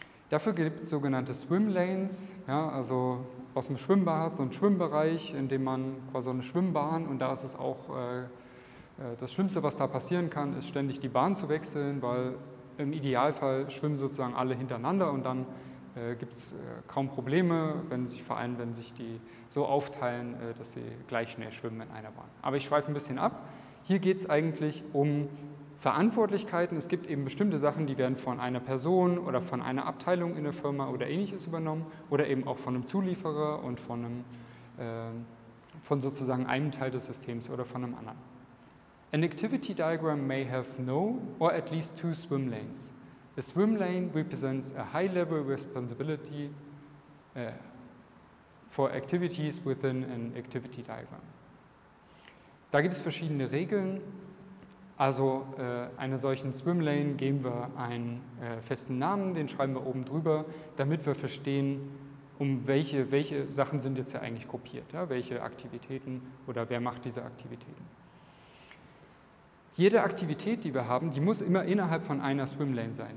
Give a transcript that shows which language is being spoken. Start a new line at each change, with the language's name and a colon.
German: Dafür gibt es sogenannte Swimlanes, ja, also aus dem Schwimmbad, so ein Schwimmbereich, in dem man quasi eine Schwimmbahn, und da ist es auch das Schlimmste, was da passieren kann, ist ständig die Bahn zu wechseln, weil im Idealfall schwimmen sozusagen alle hintereinander und dann gibt es kaum Probleme, wenn sich die so aufteilen, dass sie gleich schnell schwimmen in einer Bahn. Aber ich schweife ein bisschen ab. Hier geht es eigentlich um Verantwortlichkeiten. Es gibt eben bestimmte Sachen, die werden von einer Person oder von einer Abteilung in der Firma oder Ähnliches übernommen oder eben auch von einem Zulieferer und von einem, von sozusagen einem Teil des Systems oder von einem anderen.
English: An activity diagram may have no or at least two swim lanes. A swim lane represents a high level responsibility for activities within an activity diagram.
German: Da gibt es verschiedene Regeln. Also einer solchen Swim Lane geben wir einen festen Namen, den schreiben wir oben drüber, damit wir verstehen, um welche Sachen sind jetzt ja eigentlich gruppiert, ja? Welche Aktivitäten oder wer macht diese Aktivitäten. Jede Aktivität, die wir haben, die muss immer innerhalb von einer Swimlane sein.